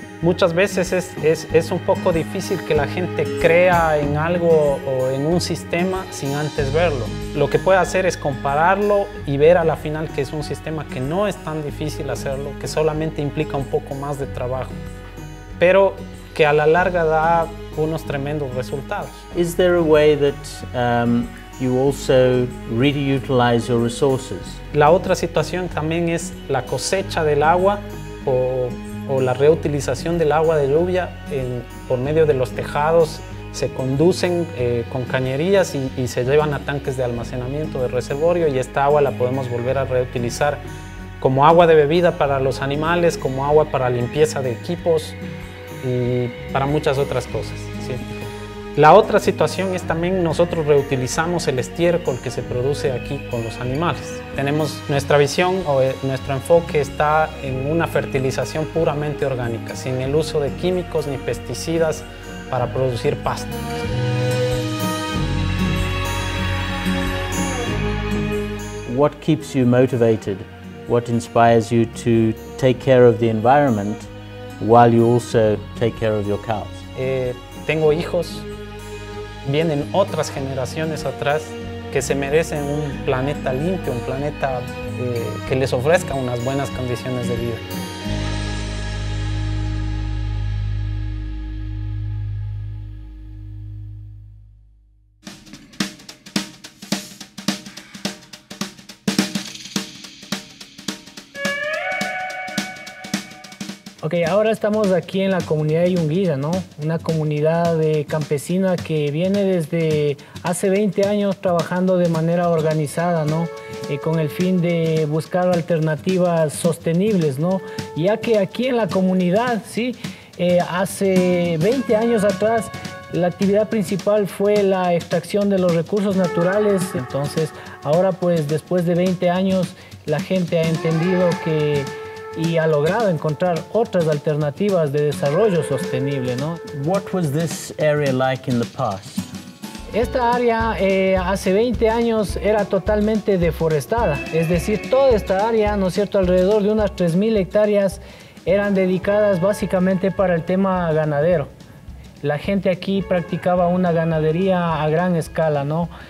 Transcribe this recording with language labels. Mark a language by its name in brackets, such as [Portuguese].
[Spanish] Muchas veces es un poco difícil que la gente crea en algo o en un sistema sin antes verlo. Lo que puede hacer es compararlo y ver a la final que es un sistema que no es tan difícil hacerlo, que solamente implica un poco más de trabajo, pero que a la larga da unos tremendos resultados. [English] Is there a way that you also reutilize your resources? [Spanish] La otra situación también es la cosecha del agua o la reutilización del agua de lluvia por medio de los tejados. Se conducen con cañerías y se llevan a tanques de almacenamiento de reservorio, y esta agua la podemos volver a reutilizar como agua de bebida para los animales, como agua para limpieza de equipos y para muchas otras cosas, ¿sí? La otra situación es también nosotros reutilizamos el estiércol que se produce aquí con los animales. Tenemos nuestra visión o nuestro enfoque está en una fertilización puramente orgánica, sin el uso de químicos ni pesticidas para producir pasto. [English] What keeps you motivated? What inspires you to take care of the environment while you also take care of your cows? [Spanish] Tengo hijos. Vienen otras generaciones atrás que se merecen un planeta limpio, un planeta que les ofrezca unas buenas condiciones de vida. Ok, ahora estamos aquí en la comunidad de Yunguilla, ¿no? Una comunidad de campesina que viene desde hace 20 años trabajando de manera organizada, ¿no? Con el fin de buscar alternativas sostenibles, ¿no? Ya que aquí en la comunidad, ¿sí? Hace 20 años atrás, la actividad principal fue la extracción de los recursos naturales. Entonces, ahora pues, después de 20 años, la gente ha entendido que y ha logrado encontrar otras alternativas de desarrollo sostenible, ¿no? [English] What was this area like in the past? [Spanish] Esta área hace 20 años era totalmente deforestada, es decir, toda esta área, ¿no es cierto?, alrededor de unas 3.000 hectáreas eran dedicadas básicamente para el tema ganadero. La gente aquí practicaba una ganadería a gran escala, ¿no?